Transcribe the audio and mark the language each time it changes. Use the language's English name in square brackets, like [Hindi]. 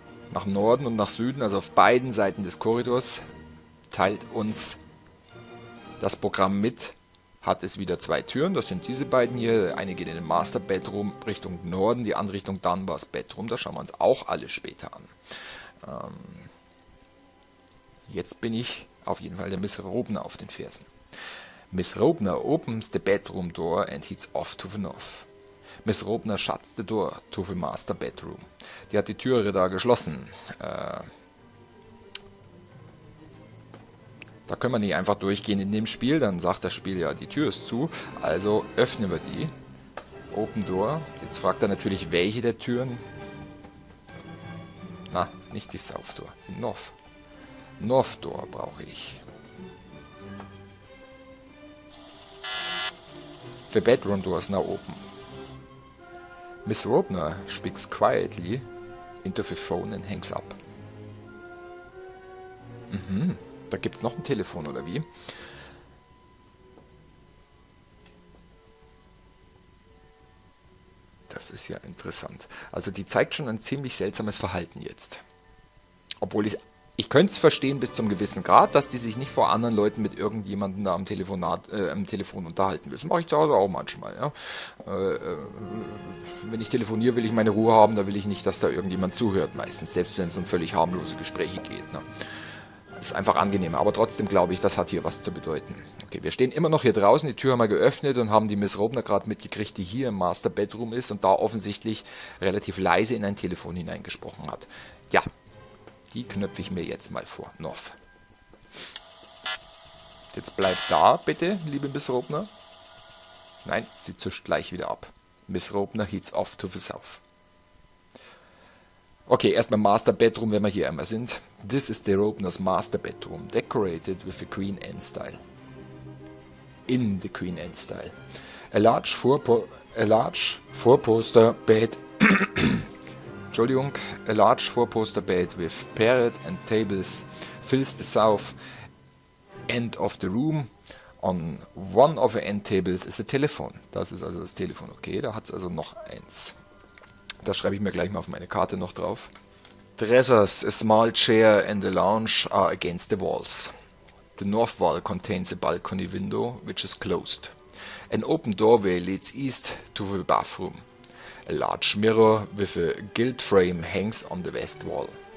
[German] Nach Norden und nach Süden, also auf beiden Seiten des Korridors, teilt uns das Programm mit. Hat es wieder zwei Türen, das sind diese beiden hier. Eine geht in den Master Bedroom Richtung Norden, die andere Richtung Dunbars Bedroom. Das schauen wir uns auch alle später an. Jetzt bin ich auf jeden Fall der Miss Robner auf den Fersen. [English] Miss Robner opens the bedroom door and heads off to the north. Miss Robner shuts the door to the Master Bedroom. [German] Die hat die Türe da geschlossen. Da können wir nicht einfach durchgehen in dem Spiel, dann sagt das Spiel ja, die Tür ist zu. Also öffnen wir die. [English] Open Door. [German] Jetzt fragt er natürlich, welche der Türen. Na, nicht die South Door, die North. North Door brauche ich. [English] The Bedroom Door is now open. Miss Robner speaks quietly into the phone and hangs up. [German] Da gibt es noch ein Telefon, oder wie? Das ist ja interessant. Also die zeigt schon ein ziemlich seltsames Verhalten jetzt. Obwohl ich könnte es verstehen bis zum gewissen Grad, dass die sich nicht vor anderen Leuten mit irgendjemandem da am Telefon unterhalten will. Das mache ich zu Hause auch manchmal. Ja? Wenn ich telefoniere, will ich meine Ruhe haben. Da will ich nicht, dass da irgendjemand zuhört meistens. Selbst wenn es um völlig harmlose Gespräche geht. Ne? Ist einfach angenehmer, aber trotzdem glaube ich, das hat hier was zu bedeuten. Okay, wir stehen immer noch hier draußen, die Tür haben wir geöffnet und haben die Miss Robner gerade mitgekriegt, die hier im Master Bedroom ist und da offensichtlich relativ leise in ein Telefon hineingesprochen hat. Ja, die knöpfe ich mir jetzt mal vor. Noch. Jetzt bleibt da, bitte, liebe Miss Robner. Nein, sie zischt gleich wieder ab. [English] Miss Robner heads off to the south. [German] Okay, erstmal Master Bedroom, wenn wir hier einmal sind. [English] This is the Robner's Master Bedroom, decorated with a Queen Anne style. In the Queen Anne style. A large four-poster bed. [German] Entschuldigung, [English] a large four-poster bed with parrot and tables fills the south end of the room. On one of the end tables is a telephone. [German] Das ist also das Telefon. Okay, da hat es also noch eins. Das schreibe ich mir gleich mal auf meine Karte noch drauf. [English] Dressers, a small chair and a lounge are against the walls. The north wall contains a balcony window, which is closed. An open doorway leads east to the bathroom. A large mirror with a gilt frame hangs on the west wall.